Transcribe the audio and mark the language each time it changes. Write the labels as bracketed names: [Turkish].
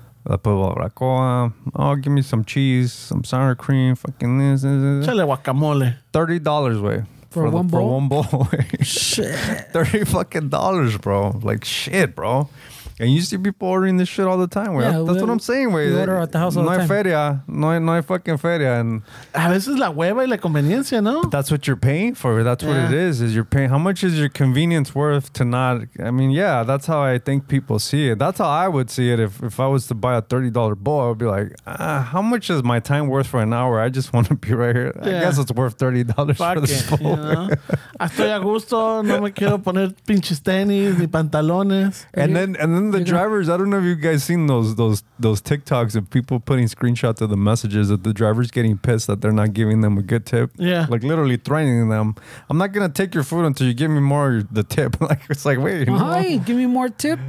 [English] I put a barbacoa. Oh, give me some cheese, some sour cream, fucking this. [Spanish] Chale guacamole. [English] $30, way. For one bowl? Shit. $30 fucking dollars, bro. Like, shit, bro. And you see people ordering this shit all the time. Yeah, that's what I'm saying. We order at the house all no the time. [Spanish] Feria. No hay fucking feria. And a veces la hueva y la conveniencia, ¿no? [English] That's what you're paying for. That's what it is you're paying. How much is your convenience worth to not? I mean, yeah, that's how I think people see it. That's how I would see it. If I was to buy a $30 bowl, I would be like, how much is my time worth for an hour? I just want to be right here. Yeah. I guess it's worth $30 for this bowl. You [Spanish] know? Estoy a gusto. No me quiero poner pinches tenis ni pantalones. [English] And then the drivers, I don't know if you guys seen those TikToks of people putting screenshots of the messages of the drivers getting pissed that they're not giving them a good tip. Yeah. Like literally threatening them. I'm not going to take your food until you give me more the tip. Like, it's like, wait. Why? Give me more tip?